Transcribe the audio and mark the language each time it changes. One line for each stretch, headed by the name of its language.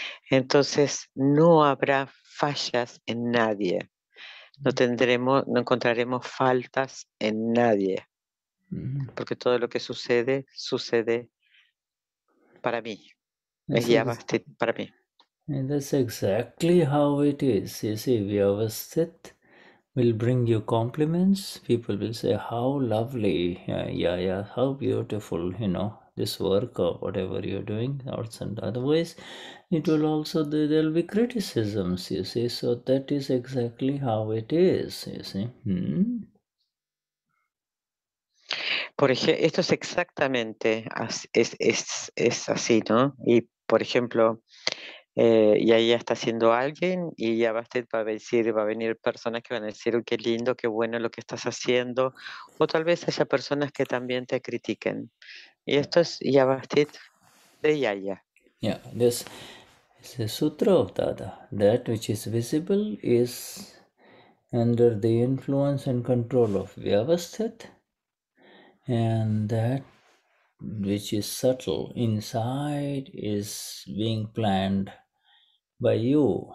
Spanish: Entonces no habrá fallas en nadie, no encontraremos faltas en nadie, porque todo lo que sucede, sucede para mí, es Yavastit para mí.
English: And that's exactly how it is, you see, Vyavasthit will bring you compliments. People will say, how lovely, how beautiful, you know, this work or whatever you're doing, arts and otherwise. It will also, there'll be criticisms, you see. So that is exactly how it is, you see.
Spanish: Por ejemplo, esto es exactamente es así, ¿no? Y por ejemplo, y ahí ya está haciendo alguien y ya va a venir personas que van a decir, qué lindo, qué bueno lo que estás haciendo, o tal vez haya personas que también te critiquen, y esto es Yavastit de Yaya.
English: This is the sutra of Dada. That which is visible is under the influence and control of Vyavasthit, and that which is subtle inside is being planned by you.